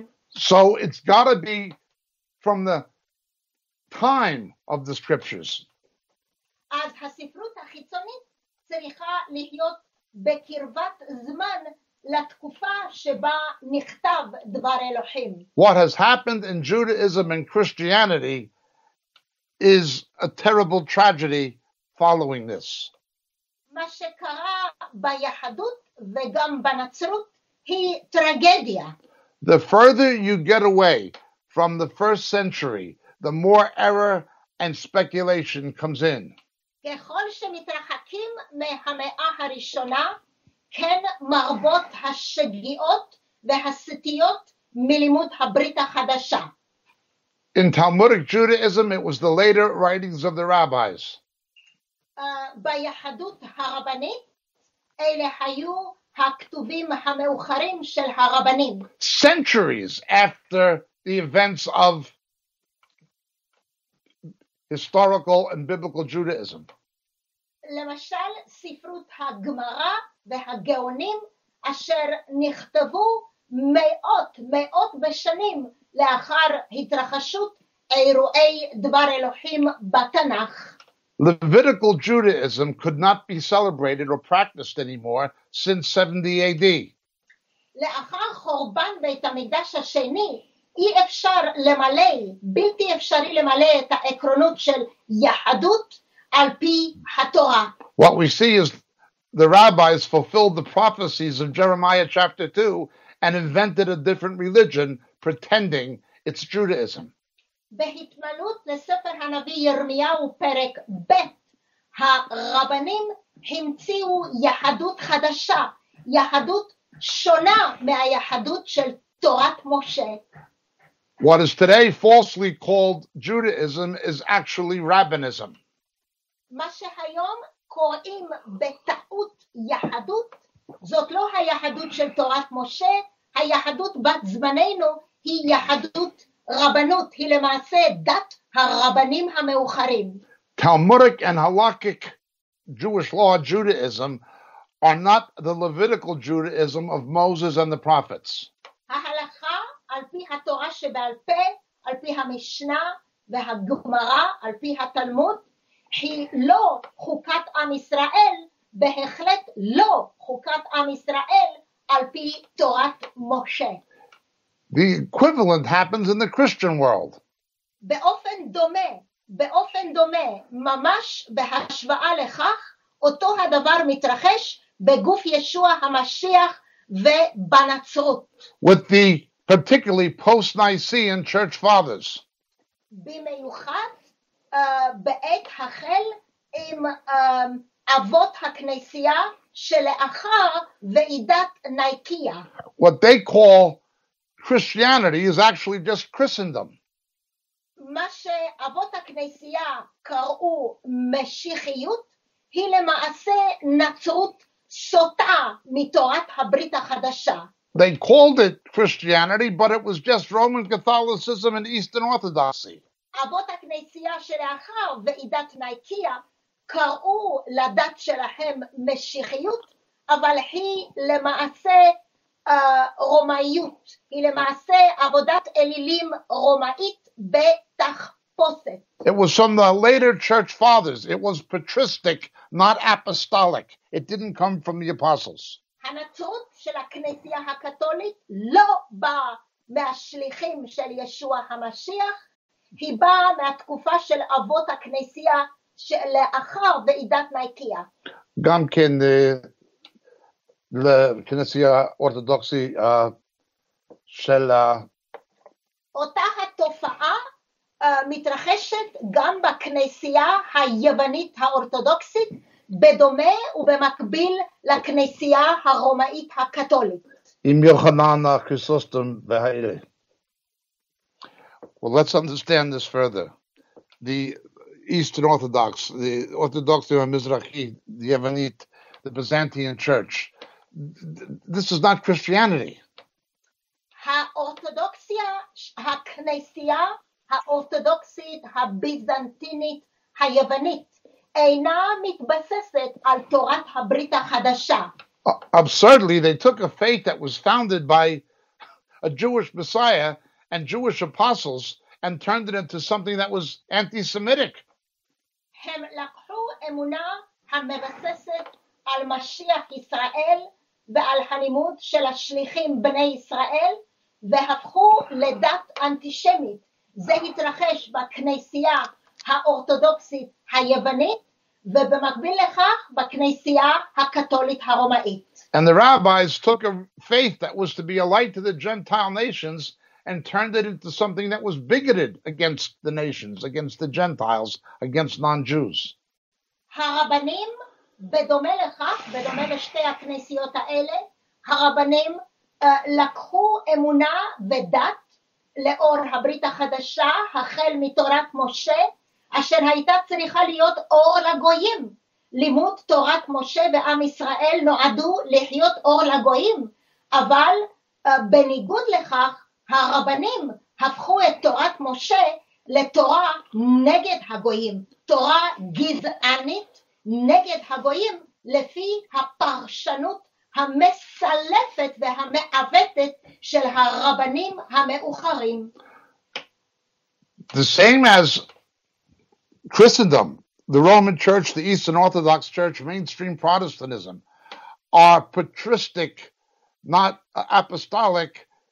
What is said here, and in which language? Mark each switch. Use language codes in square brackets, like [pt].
[en] So it's got to be from the time of the scriptures. [he] אז הספרות החיצונית צריכה להיות בקרבת זמן לתקופה שבה נכתב דבר אלוהים. [en] What has happened in Judaism and Christianity is a terrible tragedy following this. [he] מה שקרה ביהדות וגם בנצרות היא טרגדיה. [en] The further you get away from the first century, the more error and speculation comes in. [he] ככל שמתרחקים מהמאה הראשונה, כן מרבות השגיאות והסטיות מלימוד הברית החדשה. [en] In Talmudic Judaism, it was the later writings of the rabbis. [he] ביהדות הרבנית, אלה היו הכתובים המאוחרים של הרבנים. [en] Centuries after the events of historical and biblical Judaism. [he] למשל ספרות הגמרא והגאונים אשר נכתבו מאות בשנים לאחר התרחשות אירועי דבר אלוהים בתנך. [en] Levitical Judaism could not be celebrated or practiced anymore since 70 AD. [he] לאחר חורבן בית המקדש השני אי אפשר למלא, בלתי אפשרי למלא את העקרונות של יהדות על פי התורה. [en] What we see is the rabbis fulfilled the prophecies of Jeremiah chapter 2 and invented a different religion, pretending it's Judaism. [he] בהתמלות לספר הנביא ירמיהו פרק ב', הרבנים המציאו יהדות חדשה, יהדות שונה מהיהדות של תורת משה. [en] What is today falsely called Judaism is actually rabbinism. [he] מה שהיום קוראים בטעות יהדות, זאת לא היהדות של תורת משה, היהדות בת זמננו היא יהדות רבנות, היא למעשה דת הרבנים המאוחרים. [en] Talmudic and halakhic Jewish law Judaism are not the Levitical Judaism of Moses and the prophets. [he] על פי התורה שבעל פה, על פי המשנה והגמרא, על פי התלמוד, היא לא חוקת עם ישראל, בהחלט לא חוקת עם ישראל, על פי תורת משה. [en] The equivalent happens in the Christian world. [he] באופן דומה, ממש בהשוואה לכך, אותו הדבר מתרחש בגוף ישוע המשיח ובנצרות. [en] With the particularly post-Nicene church fathers. [he] במיוחד בעת החל עם אבות הכנסייה שלאחר ועידת ניקיה. [en] What they call Christianity is actually just Christendom. [he] מה שאבות הכנסייה קראו משיחיות היא למעשה נצרות סוטה מתורת הברית החדשה. [en] They called it Christianity, but it was just Roman Catholicism and Eastern Orthodoxy. [he] אבות הכנסייה שלאחר ועידת נייקיה קראו לדת שלהם משיחיות, אבל היא למעשה רומאיות, היא למעשה עבודת אלילים רומאית בתחפושת. [en] It was from the later church fathers. It was patristic, not apostolic. It didn't come from the apostles. [he] הנצרות של הכנסייה הקתולית לא באה מהשליחים של ישוע המשיח, היא באה מהתקופה של אבות הכנסייה שלאחר ועידת נייקיה. גם כן לכנסייה אורתודוקסי של אותה התופעה מתרחשת גם בכנסייה היוונית האורתודוקסית, בדומה ובמקביל לכנסייה הרומאית הקתולית. עם יוחנן הכריסוסטום והאלה. [en] Well, let's understand this further. The Eastern Orthodox, the Orthodoxy of Mizrahi, the Yevanit, the Byzantine Church, this is not Christianity. [he] האורתודוקסיה, הכנסייה, האורתודוקסית, הביזנטינית, היוונית, אינה מתבססת על תורת הברית החדשה. [en] Absurdly, they took a faith that was founded by a Jewish Messiah and Jewish apostles and turned it into something that was anti-Semitic. [he] הם לקחו אמונה המבססת על משיח ישראל ועל הלימוד של השליחים בני ישראל והפכו לדת אנטישמית. זה התרחש בכנסייה האורתודוקסית היוונית ובמקביל לכך בכנסייה הקתולית הרומאית. [en] And the rabbis took a faith that was to be a light to the Gentile nations and turned it into something that was bigoted against the nations, against the Gentiles, against non-Jews. [he] הרבנים, בדומה לכך, בדומה לשתי הכנסיות האלה, הרבנים לקחו אמונה ודת לאור הברית החדשה, החל מתורת משה, אשר הייתה צריכה להיות אור לגויים. לימוד תורת משה ועם ישראל נועדו לחיות אור לגויים, אבל בניגוד לכך, הרבנים הפכו את תורת משה לתורה נגד הגויים, תורה גזענית נגד הגויים לפי הפרשנות המסלפת והמעוותת של הרבנים המאוחרים. [en] The same as Christendom, the Roman Church, the Eastern Orthodox Church, mainstream Protestantism are patristic, not apostolic.